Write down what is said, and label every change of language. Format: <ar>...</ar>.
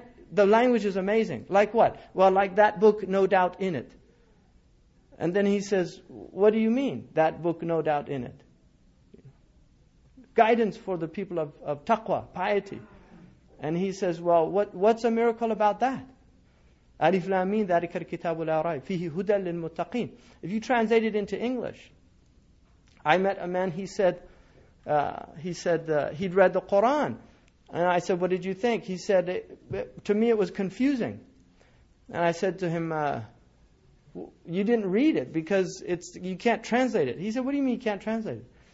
<en>The language is amazing. Like what? Well, like that book, no doubt in it. And then he says, what do you mean, that book, no doubt in it? Guidance for the people of taqwa, piety. And he says, well, what's a miracle about that?</en> <ar>Alif Lam Mim, ذَلِكَ الْكِتَابُ لَا رَيْبَ فِيهِ هُدًى لِلْمُتَّقِينَ.</ar> <en>If you translate it into English, I met a man, he said he'd read the Qur'an. And I said, what did you think? He said, to me it was confusing. And I said to him, you didn't read it because you can't translate it. He said, what do you mean you can't translate it?</en>